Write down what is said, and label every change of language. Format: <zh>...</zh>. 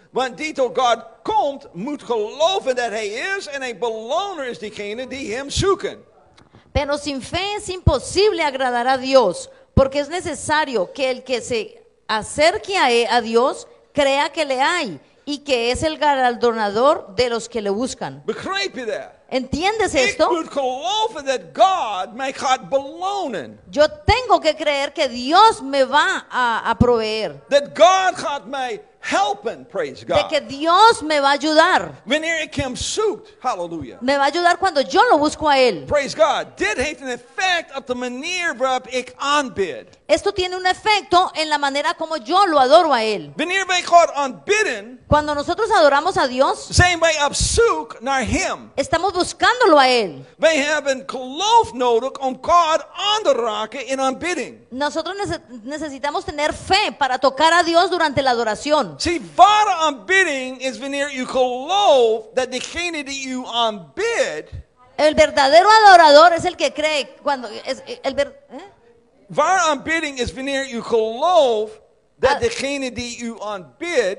<nl>Want die tot God komt, moet geloven dat hij is. En een beloner is diegene die hem zoeken.</nl> <es>Pero sin fe es imposible agradar a Dios. Porque es necesario que el que se acerque a Dios crea que le hay. Y que es el galardonador de los que le buscan.</es> <nl>Begrijp je dat?</nl> <es>¿Entiendes esto?</es> <nl>Ik moet geloven dat God mij gaat belonen.</nl> <es>Yo tengo que creer que Dios me va a proveer.</es> <nl>That God gaat mij helpen,</nl> <en>praise God.</en> <es>De que Dios me va a ayudar.</es> <nl>Wanneer ik hem zoek, hallelujah.</nl> <es>Me va a ayudar cuando yo lo busco a él.</es> <en>Praise God.</en> <nl>Dit heeft een effect op de manier waarop ik aanbid.</nl> <es>Esto tiene un efecto en la manera como yo lo adoro a él.</es> <nl>Wanneer wij God aanbidden,</nl> <es>cuando nosotros adoramos a Dios,</es> <nl>zijn wij op zoek naar hem.</nl> <es>Estamos buscándolo a él.</es> <nl>Wij hebben geloof nodig om God aan te raken in aanbidding.</nl> <es>Nosotros necesitamos tener fe para tocar a Dios durante la adoración.</es> <nl>See, ware aanbidding is wanneer u gelooft dat degene die u aanbid,</nl> <es>el verdadero adorador es el que cree cuando es el ver,</es> <nl>ware aanbidding is wanneer u gelooft dat degene die u aanbid,</nl>